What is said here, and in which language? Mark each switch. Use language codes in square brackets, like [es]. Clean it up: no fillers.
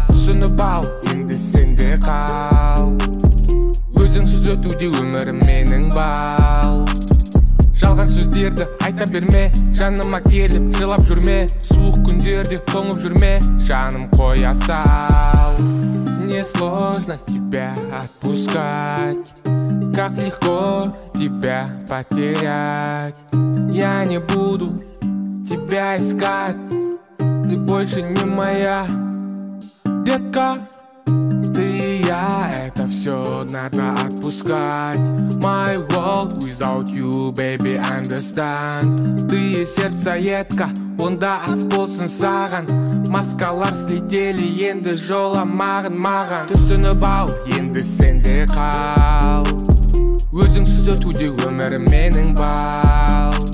[kk] Түсініп ал, енді сенде қал, өзіңсіз өтуде өмірім менің бал. Жалған сөздерді айта берме, жаныма келіп жылап жүрме. Суық күндерде тоңып жүрме, жаным қоя сал. [ru] Не сложно тебя отпускать, как легко тебя потерять. Я не буду тебя искать, ты больше не моя, детка. Ты и я, это все надо отпускать. [en] My world without you, baby, understand. [ru] Ты и сердцеедка, [kk] онда асболсын саған. Маскалар слетели, енді жоламағын маған. Түсініп ал, енді сенде қал, өзіңсіз өтуде өмірім менің бал.